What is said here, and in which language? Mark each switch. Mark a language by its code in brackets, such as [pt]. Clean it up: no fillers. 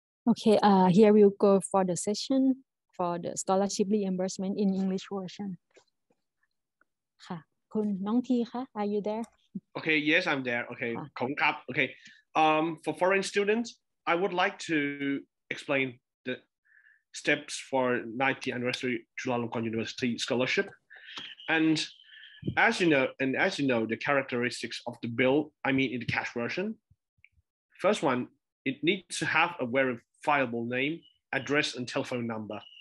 [en] Okay, here we'll go for the session for the scholarship reimbursement in English version. [th] ค่ะคุณน้องทีค่ะ [en] are you there? Okay, yes, I'm there. Okay, [th] ขอบคุณ [en] Okay, for foreign students, I would like to explain the steps for 90th anniversary Chulalongkorn University scholarship. And as you know, the characteristics of the bill, I mean in the cash version, first one, it needs to have a verifiable name, address, and telephone number.